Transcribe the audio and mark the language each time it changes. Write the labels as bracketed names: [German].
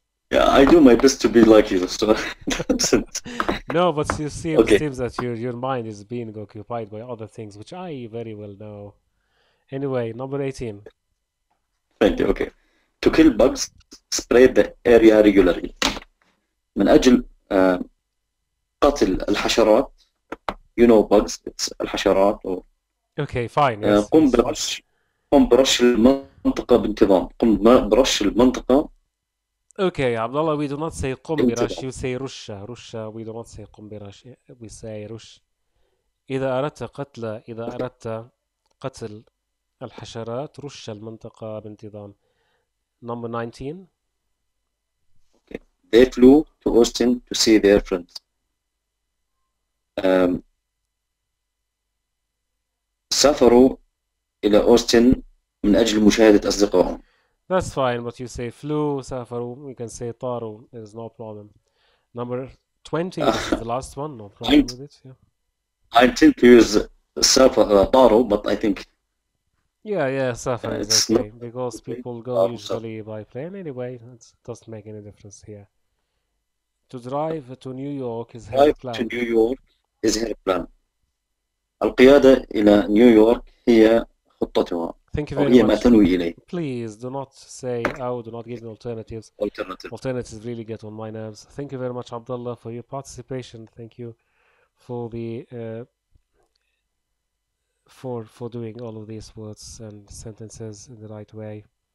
[English] Yeah, I do my best to be like you. So. No, but you see, okay. it seems that your mind is being occupied by other things, which I very well know. Anyway, number 18. Thank you. Okay. To kill bugs, spray the area regularly. [Arabic] من أجل قتل الحشرات, [English] you know bugs, it's [Arabic] الحشرات. [English] Or, okay, fine. [Arabic] قم برش المنطقة بانتظام. قم برش المنطقة. [English] Okay, Abdullah, we do not say [Arabic] قم برش, [English] you say [Arabic] رشّة. [English] رشّة, we do not say قم برش, we say [Arabic] رش. إذا أردت قتل, إذا أردت قتل الحشرات, رشّة المنطقة بانتظام. [English] Number 19. Okay. They flew to Austin to see their friends. [Arabic] سافروا إلى أوستن من أجل مشاهدة أصدقائهم. [English] That's fine, but you say flew, [Arabic] سافروا, [English] we can say [Arabic] طاروا, [English] there's no problem. Number 20, the last one, no problem with it. Yeah. I intend to use [Arabic] طاروا, [English] but I think... Yeah, [Arabic] سافر [English] is okay, because people go usually by plane anyway, it doesn't make any difference here. To drive to New York is her plan. To New York is her plan. [Arabic] القيادة إلى نيويورك هي خطتها. [English] Thank you very much. Please do not say out, do not give me alternatives. Alternatives really get on my nerves. Thank you very much, Abdullah, for your participation. Thank you for the for doing all of these words and sentences in the right way.